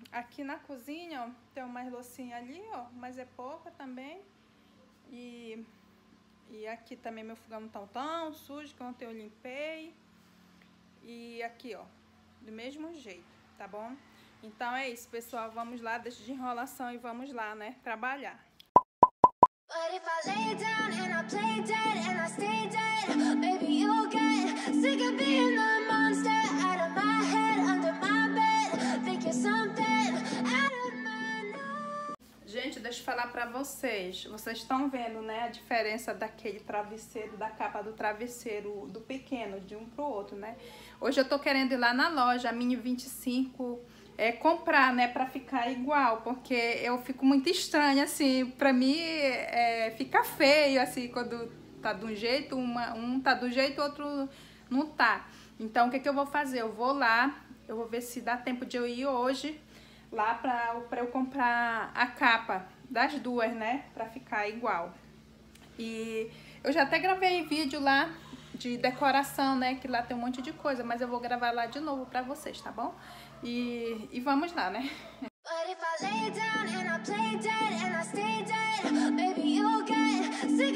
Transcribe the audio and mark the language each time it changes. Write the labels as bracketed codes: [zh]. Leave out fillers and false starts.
[pt] Aqui na cozinha, ó, tem umas loucinhas ali, ó, mas é pouca também. E aqui também meu fogão não tá tão sujo, que ontem eu limpei. E aqui, ó, do mesmo jeito, tá bom? Então é isso, pessoal. Vamos lá, deixa de enrolação e vamos lá, né, trabalhar. [en] But if I lay down and I play dead and I stay dead, maybe you'll get sick of being the monster out of my head, under my bed, think you're something out of my nightmare. [pt] Gente, deixa eu falar pra vocês. Vocês estão vendo, né, a diferença daquele travesseiro, da capa do travesseiro, do pequeno, de um pro outro, né? Hoje eu tô querendo ir lá na loja, a Mini 25, comprar, né, pra ficar igual, porque eu fico muito estranha, assim, pra mim fica feio, assim, quando tá de um jeito, um tá do jeito, o outro não tá. Então, o que que eu vou fazer? Eu vou lá, eu vou ver se dá tempo de eu ir hoje lá pra eu comprar a capa das duas, né, pra ficar igual. E eu já até gravei vídeo lá de decoração, né, que lá tem um monte de coisa, mas eu vou gravar lá de novo pra vocês, tá bom? E vamos lá, né? [en] But if I lay down and I play dead and I stay dead, maybe you'll get